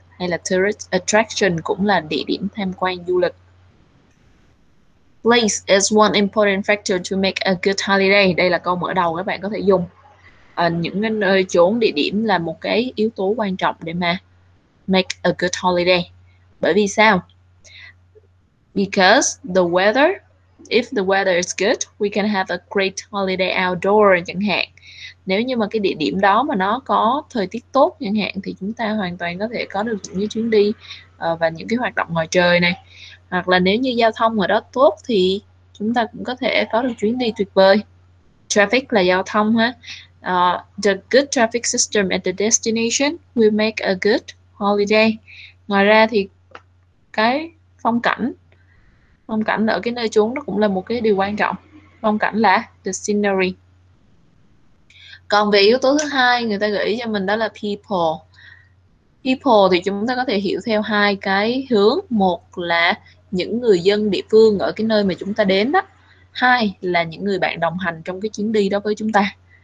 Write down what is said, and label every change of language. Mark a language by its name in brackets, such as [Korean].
[Vietnamese] Hay là tourist attraction cũng là địa điểm tham quan du lịch. [English] Place is one important factor to make a good holiday. [Vietnamese] Đây là câu mở đầu các bạn có thể dùng. Những cái nơi chốn, địa điểm là một cái yếu tố quan trọng để mà [English] make a good holiday. [Vietnamese] Bởi vì sao? [English] Because the weather, if the weather is good, we can have a great holiday outdoor, [Vietnamese] chẳng hạn. Nếu như mà cái địa điểm đó mà nó có thời tiết tốt chẳng hạn thì chúng ta hoàn toàn có thể có được những cái chuyến đi và những cái hoạt động ngoài trời này. Hoặc là nếu như giao thông ở đó tốt thì chúng ta cũng có thể có được chuyến đi tuyệt vời. Traffic là giao thông ha. [English] The good traffic system at the destination will make a good holiday. [Vietnamese] Ngoài ra thì cái phong cảnh ở cái nơi chốn nó cũng là một cái điều quan trọng. Phong cảnh là the scenery. Còn về yếu tố thứ hai người ta gợi ý cho mình đó là people. People thì chúng ta có thể hiểu theo hai cái hướng, một là những người dân địa phương ở cái nơi mà chúng ta đến đó, hai là những người bạn đồng hành trong cái chuyến đi đó với chúng ta.